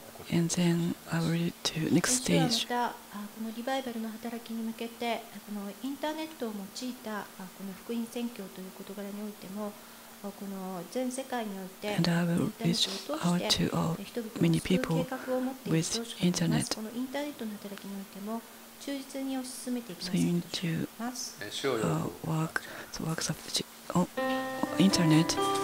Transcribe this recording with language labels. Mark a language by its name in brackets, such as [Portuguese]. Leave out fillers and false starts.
[English] And then I will lead to next stage. [Japanese] このリバイバルの働きに向けて、このインターネットを用いたこの福音宣教という事柄においても、この全世界において、 [English] And I will reach out to all many people with internet. [Japanese] このインターネットの働きにおいても、忠実に推し進めていきます。 [English] So you need to work the works of the internet.